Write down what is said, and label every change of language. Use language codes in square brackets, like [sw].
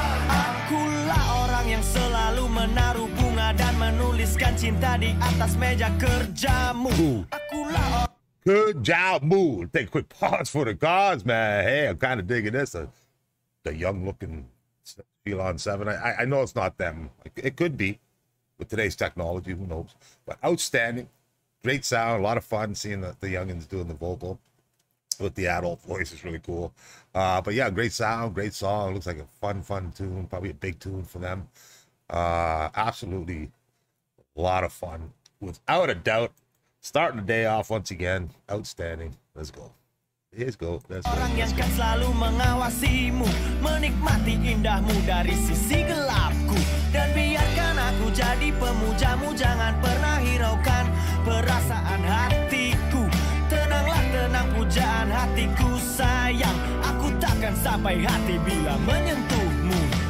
[id] Akulah orang yang selalu menaruh bunga dan menuliskan cinta di atas meja kerjamu. Kerjamu. [en] Take a quick pause for the gods, man. Hey, I'm kind of digging this. The young looking Elon 7. I know it's not them. It could be. With today's technology, who knows? But outstanding. Great sound, a lot of fun seeing the youngins doing the vocal with the adult voice. It's really cool. But yeah, great sound, great song. Looks like a fun tune, probably a big tune for them. Absolutely a lot of fun, without a doubt. Starting the day off once again, outstanding. Let's go. Here's go. Let's go. [id] Orang yang kan selalu mengawasimu, menikmati indahmu dari sisi gelapku. Dan biarkan aku jadi pemujamu, jangan pernah hiraukan perasaan hatiku. Tenanglah tenang pujaan hatiku sayang, aku takkan sampai hati bila menyentuhmu.